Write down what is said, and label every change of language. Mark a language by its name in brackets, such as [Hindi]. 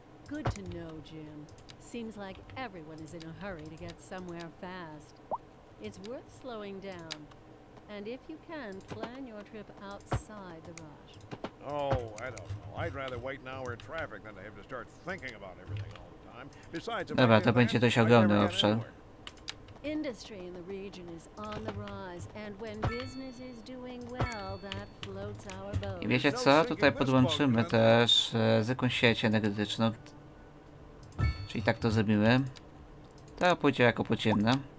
[English] Good to know, Jim. Seems like everyone is in a hurry to get somewhere fast. It's worth slowing down. And if you can, plan your trip outside the rush. Oh, I don't know. I'd rather wait an hour in traffic than to have to start thinking about everything all the time. Besides, [Polish] dobra, to będzie dość ogromny obszar. [English] Industry in the region is on the rise, and when business is doing well, that floats our boat. [Polish] I wiecie co? Tutaj podłączymy też zwykłą sieć energetyczną. Czyli tak to zrobimy. To pójdzie jako podziemne.